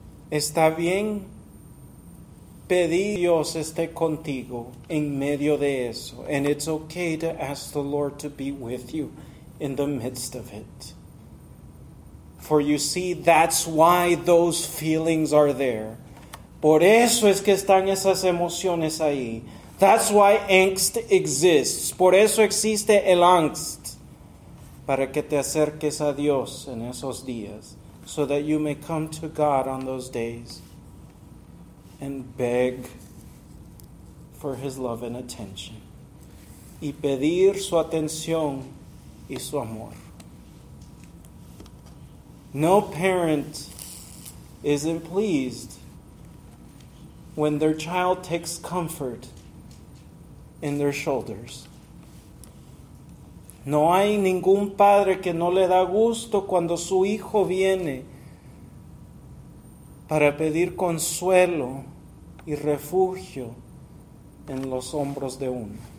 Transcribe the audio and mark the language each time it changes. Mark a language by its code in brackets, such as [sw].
[es] Está bien pedir que Dios esté contigo en medio de eso. [en] And it's okay to ask the Lord to be with you in the midst of it. For you see, that's why those feelings are there. [es] Por eso es que están esas emociones ahí. [en] That's why angst exists. [es] Por eso existe el angst. Para que te acerques a Dios en esos días. [en] So that you may come to God on those days. And beg for his love and attention. [es] Y pedir su atención y su amor. [en] No parent isn't pleased when their child takes comfort in their shoulders. [es] No hay ningún padre que no le da gusto cuando su hijo viene para pedir consuelo y refugio en los hombros de uno.